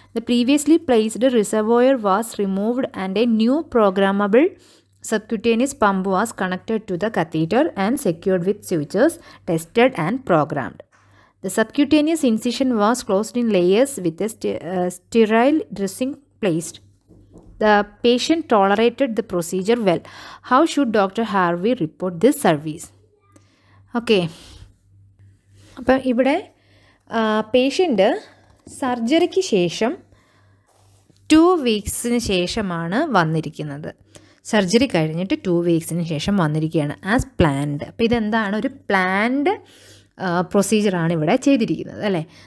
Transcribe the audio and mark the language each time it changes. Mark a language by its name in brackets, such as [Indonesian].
[English] The previously placed reservoir was removed and a new programmable subcutaneous pump was connected to the catheter and secured with sutures tested and programmed. The subcutaneous incision was closed in layers with a sterile dressing placed. The patient tolerated the procedure well. How should Dr. Harvey report this service? Okay. [Malayalam] അപ്പം ഇവിടെ patient സർജറിക്ക് ശേഷം 2 weeks ശേഷമാണ് വന്നിരിക്കുന്നത്. Surgery കഴിഞ്ഞിട്ട് 2 weeks ശേഷം വന്നിരിക്കുകയാണ് as planned. അപ്പോൾ ഇതെന്താണ്, ഒരു പ്ലാൻഡ് പ്രൊസീജിയറാണ് ഇവിടെ ചെയ്തിരിക്കുന്നത് അല്ലേ.